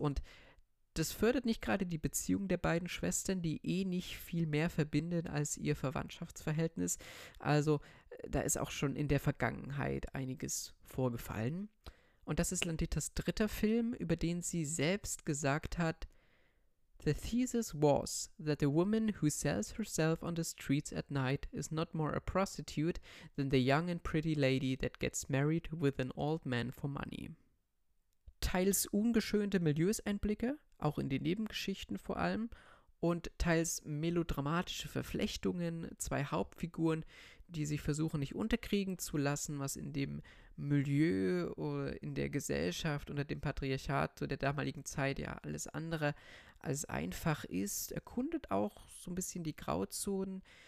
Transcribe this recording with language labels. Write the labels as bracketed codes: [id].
[de] Und das fördert nicht gerade die Beziehung der beiden Schwestern, die eh nicht viel mehr verbinden als ihr Verwandtschaftsverhältnis. Also da ist auch schon in der Vergangenheit einiges vorgefallen. Und das ist Landetas dritter Film, über den sie selbst gesagt hat, [en] The thesis was that a woman who sells herself on the streets at night is not more a prostitute than the young and pretty lady that gets married with an old man for money. [de] Teils ungeschönte Milieuseinblicke, auch in den Nebengeschichten vor allem, und teils melodramatische Verflechtungen, zwei Hauptfiguren, die sich versuchen, nicht unterkriegen zu lassen, was in dem Milieu oder in der Gesellschaft unter dem Patriarchat so der damaligen Zeit ja alles andere als einfach ist, erkundet auch so ein bisschen die Grauzonen